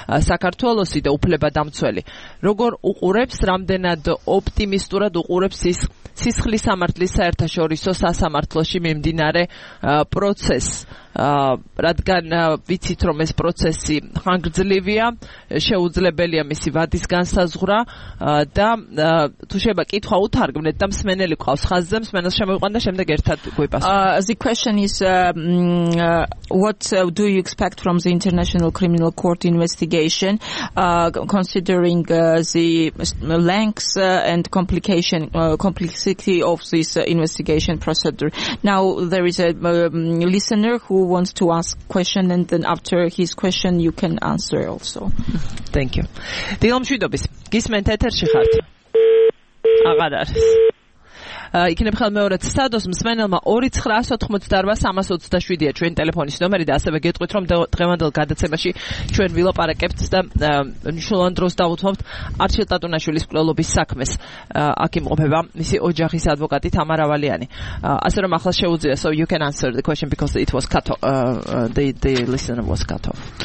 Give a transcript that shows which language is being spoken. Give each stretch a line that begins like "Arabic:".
Georgian: საქართველოსი და უფლებადამცველი როგორ უყურებს რამდენად ოპტიმისტურად უყურებს ის სისხლის სამართლის საერთაშორისო სასამართლოში მიმდინარე პროცესს რადგან ვიცით რომ ეს პროცესი ხანგრძლივია შეუძლებელია მისი ვადის განსაზღვრა და თუ შეიძლება კითხვა უთარგმნეთ და მსმენელი ყავს ხაზზე მსმენელს შემოიყვანდა შემდეგ ერთად გვიპასუხოთ
English: The question is what do you expect from the International Criminal Court investigation considering the lengths and complexity of this investigation procedure now there is a listener who wants to ask question and then after his question you can answer also thank you
Georgian: დილომ შვიდობის გისმენთ ეთერში ხართ აღარ არის იქნებ ხალ მეორეც სადოს მსმენელმა 298-387-ია ჩვენ ტელეფონის ნომერი და ასევე გეტყვით რომ დღევანდელ გადაცემაში ჩვენ ვილაპარაკებთ და მნიშვნელოვან დროს დავუთმობთ არჩილ ტატუნაშვილის კვლელობის საქმეს აქ იმყოფება მისი ოჯახის ადვოკატი თამარ ავალიანი ასე რომ ახლა შეუძლია
English: so you can answer the question because it was cut off
Georgian: the listener was cut off